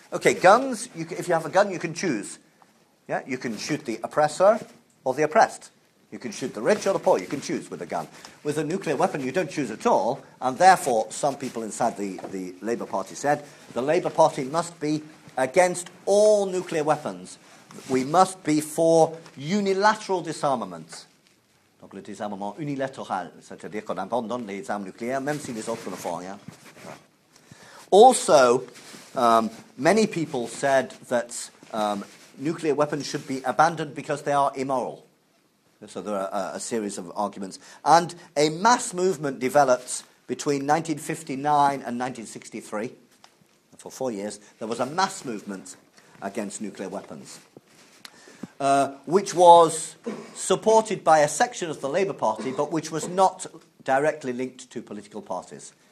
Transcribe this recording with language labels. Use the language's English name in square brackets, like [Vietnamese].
[English] Okay, guns, if you have a gun, you can choose. Yeah, you can shoot the oppressor or the oppressed. You can shoot the rich or the poor. You can choose with a gun. With a nuclear weapon, you don't choose at all. And therefore, some people inside the Labour Party said, the Labour Party must be against all nuclear weapons. We must be for unilateral disarmament. [French] Donc le désarmement unilatéral, c'est-à-dire qu'on abandonne les armes nucléaires, même si les autres le font. [English] Yeah? Also, many people said that nuclear weapons should be abandoned because they are immoral. So there are a series of arguments. And a mass movement developed between 1959 and 1963, for 4 years, there was a mass movement against nuclear weapons, which was supported by a section of the Labour Party, but which was not directly linked to political parties.